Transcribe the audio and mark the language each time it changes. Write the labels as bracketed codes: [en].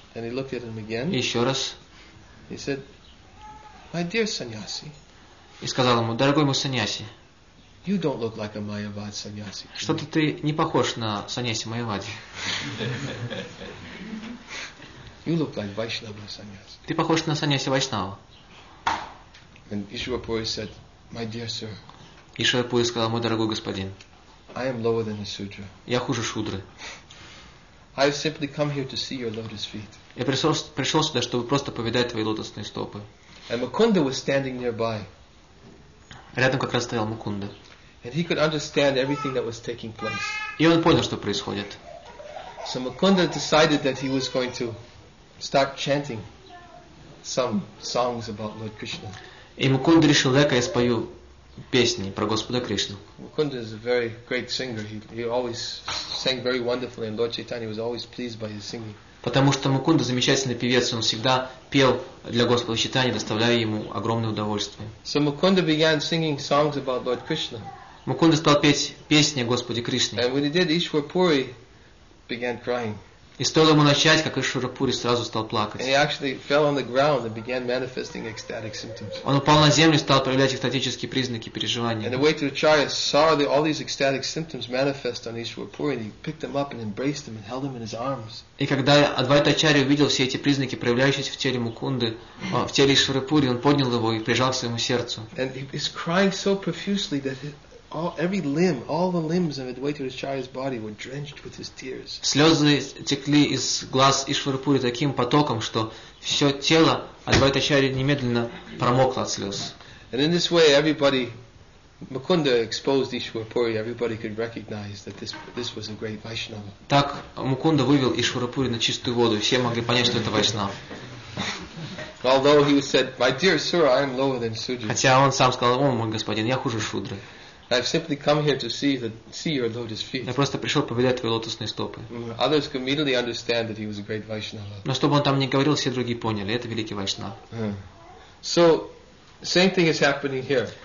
[en] And he looked at him again. [ru] И еще раз. [en] He said, "My dear sannyasi." [ru] И сказал ему: "Дорогой мой саньяси, [en] you don't look like a Mayavad sannyasi. [ru] Что-то ты не похож на саньяси Майявади. [en] You look like Vaishnava sannyasi. [ru] Ты похож на саньяси Вайшнава." [en] And Ишварапури said, "My dear sir." [ru] Ишварапури сказал: "Мой дорогой господин, [en] I am lower than a Sudra. [ru] Я хуже Шудры. [en] I have simply come here to see your lotus feet." [ru] Я пришел сюда, чтобы просто повидать твои лотосные стопы. [en] And Mukunda was standing nearby. [ru] Рядом как раз стоял Мукунда. [en] And he could understand everything that was taking place. [ru] И он понял, что происходит. [en] So Mukunda decided that he was going to start chanting some songs about Lord Krishna. [ru] И Мукунда решил, дай-ка я спою песни про Господа Кришну. [en] Mukunda is a very great singer. He always sang very wonderfully, and Lord Chaitanya was always pleased by his singing. [ru] Потому что Мукунда замечательный певец, он всегда пел для Господа Чайтаньи, доставляя ему огромное удовольствие. [en] So Mukunda began singing songs about Lord Krishna. [ru] Мукунда стал петь песни о Господе Кришне. [en] And when he did, Ишварапури began crying. [ru] И стоило ему начать, как Ишварапури сразу стал плакать. [en] And he actually fell on the ground and began manifesting ecstatic symptoms. [ru] Он упал на землю и стал проявлять экстатические признаки переживания. [en] And the Advaita Acharya saw all these ecstatic symptoms manifest on Ишварапури, and he picked them up and embraced them and held them in his arms. [ru] И когда Адвайта Ачарья увидел все эти признаки, проявляющиеся в теле Мукунды, в теле Ишварапури, он поднял его и прижал к своему сердцу. [en] And he was crying so profusely that all the limbs of Advaita Acharya's body were drenched with his tears. [ru] Слезы текли из глаз Ишварапури таким потоком, что все тело Адвайта Ачарьи немедленно промокло от слез. [en] And in this way, everybody, Mukunda exposed Ишварапури. Everybody could recognize that this was a great Vaishnava. [ru] Так Мукунда вывел Ишварапури на чистую воду, и все могли понять, что это Вайшнав. [en] Although he said, "My dear sir, I am lower than Sudra." [ru] Хотя он сам сказал: "О, мой господин, я хуже Шудры." [en] I've simply come here to see your lotus feet. [ru] Я просто пришел повидать твои лотосные стопы. [en] Others could immediately understand that he was a great Vaishnava. [ru] Но чтобы он там не говорил, все другие поняли, это великий Вайшнав. [en] So, same thing is happening here.